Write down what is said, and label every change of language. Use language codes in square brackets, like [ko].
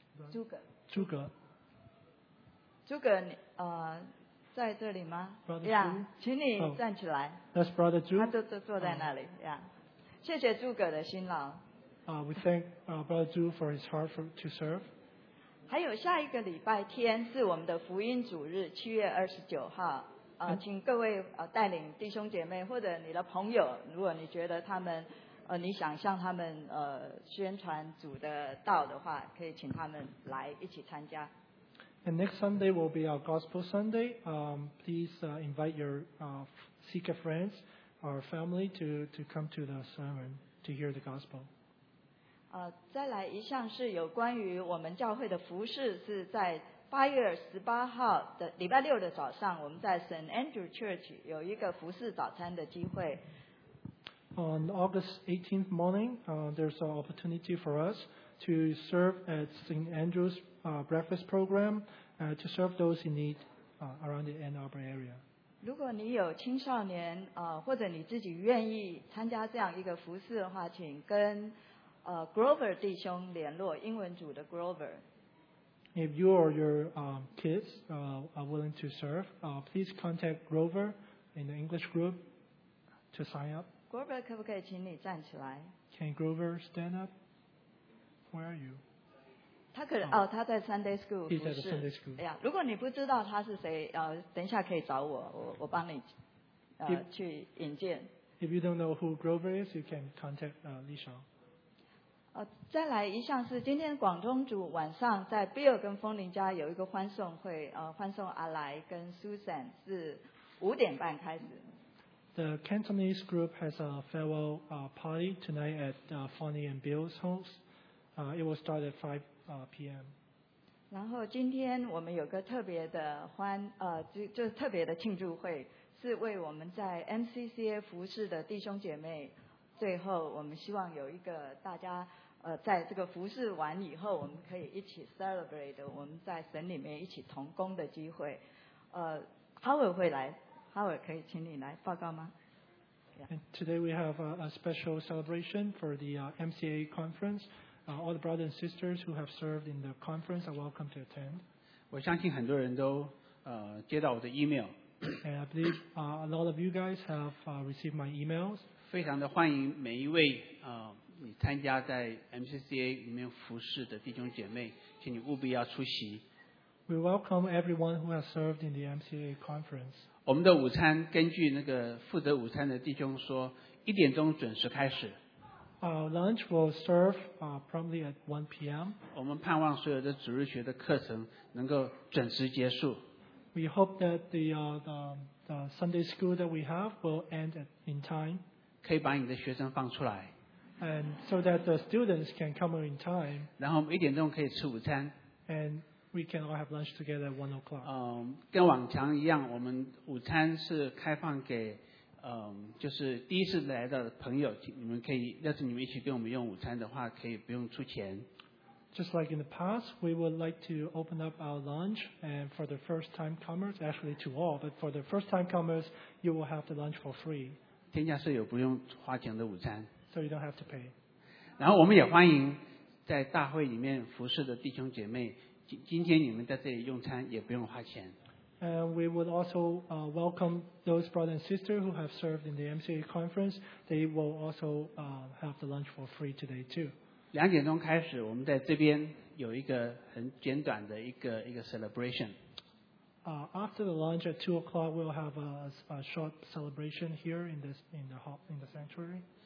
[zh] 诸葛。诸葛，在这里吗 [en] ？Brother， yeah, [zh] 请你站起来。 [en] Oh, that's Brother Zhu. [zh] 他都坐在那里。Yeah. 谢谢诸葛的辛劳。 [en] We thank Brother Zhu for his heart for, to serve. [zh] 还有下一个礼拜天是我们的福音主日，七月二十九号。请各位带领弟兄姐妹或者你的朋友，如果你觉得他们你想向他们宣传主的道的话，可以请他们来一起参加。 [en] And next Sunday will be our Gospel Sunday. Please invite your seeker friends or family to come to the sermon to hear the gospel. [zh] 再来一项是有关于我们教会的服事，是在八月十八号的礼拜六的早上，我们在 St. Andrew Church 有一个服事早餐的机会。 [en] On August 18th morning, there's an opportunity for us to serve at St. Andrew's breakfast program to serve those in need around the Ann Arbor area. [zh] 如果你有青少年或者你自己愿意参加这样一个服事的话，请跟Grover 弟兄联络，英文组的 Grover。 [en] If you or your kids are willing to serve, please contact Grover in the English group to sign up. [zh] Grover 可不可以请你站起来 [en] ？Can Grover stand up? Where are you? [zh] 他可能他在 Sunday School。 [en] He's at the Sunday School. [zh] 哎呀，如果你不知道他是谁，等一下可以找我，我帮你去引荐。 [en] If you don't know who Grover is, you can contact Li Shang. [zh] 再来一项是今天广东组晚上在 Bill 跟枫林家有一个欢送会，欢送阿来跟 Susan 是五点半开始。 [en] The Cantonese group has a farewell party tonight at Fonny and Bill's homes. It will start at 5 p.m. [zh] 然后今天我们有个特别的就特别的庆祝会，是为我们在 MCCA 服事的弟兄姐妹。最后我们希望有一个大家在这个服事完以后我们可以一起 celebrate 我们在神里面一起同工的机会。 Howard 会来， Howard 可以请你来报告吗？ [en] Today we have a special celebration for the MCA conference. All the brothers and sisters who have served in the conference are welcome to attend. [zh] 我相信很多人都接到我的 email. [en] And I believe a lot of you guys have received my emails. [zh] 非常的欢迎每一位你参加在 MCCA 里面服事的弟兄姐妹，请你务必要出席。 [en] We welcome everyone who has served in the MCCA conference. [zh] 我们的午餐根据那个负责午餐的弟兄说，一点钟准时开始。 [en] Our lunch will serve probably at 1 p.m. [zh] 我们盼望所有的主日学的课程能够准时结束。 [en] We hope that the Sunday school that we have will end in time. [zh] 可以把你的学生放出来。 [en] And so that the students can come in time. [zh] 然后我们一点钟可以吃午餐。 [en] And we can all have lunch together at 1 o'clock. [zh] 跟往常一样，我们午餐是开放给就是第一次来的朋友，你们可以，要是你们一起跟我们用午餐的话，可以不用出钱。 [en] Just like in the past, we would like to open up our lunch and for the first time comers, actually to all, but for the first time comers, you will have the lunch for free. [zh] 天下是有不用花钱的午餐。 [en] So you don't have to pay. [zh] 然后我们也欢迎在大会里面服侍的弟兄姐妹，今天你们在这里用餐也不用花钱。 [en] And we would also welcome those brothers and sisters who have served in the MCA conference. They will also have the lunch for free today too. [zh] 两点钟开始，我们在这边有一个很简短的一个 celebration. [en] After the lunch at 2 o'clock, we'll have a short celebration here in the sanctuary.